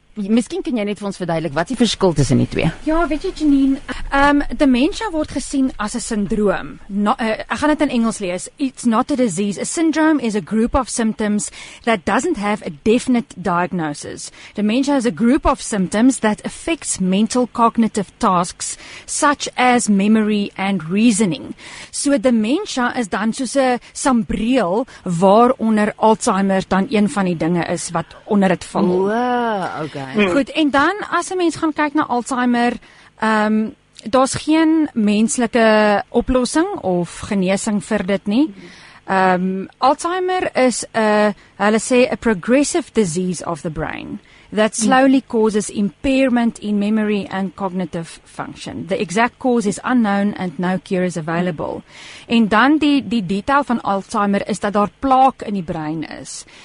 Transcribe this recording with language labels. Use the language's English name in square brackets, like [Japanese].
[Afrikaans] Miskien kan jy net vir ons verduidelik, wat is die verskil tussen die twee? Ja, weet jy Janine, dementia word gesien as 'n syndroom. Ek gaan dit in Engels lees. [English] It's not a disease. A syndrome is a group of symptoms that doesn't have a definite diagnosis. Dementia is a group of symptoms that affects mental cognitive tasks such as memory and reasoning. [Afrikaans] So dementia is dan soos 'n sambreel waaronder Alzheimer dan een van die dinge is wat onder dit val. [English] Wow, okay. [Afrikaans] Goed, en dan as 'n mens gaan kyk na Alzheimer, daar's geen menslike oplossing of genesing vir dit nie. [English] Alzheimer [Afrikaans] is hulle sê [English] a progressive disease of the brain that slowly causes impairment in memory and cognitive function. The exact cause is unknown and no cure is available. [Afrikaans] En dan die detail van Alzheimer is dat daar plaak in die brein is.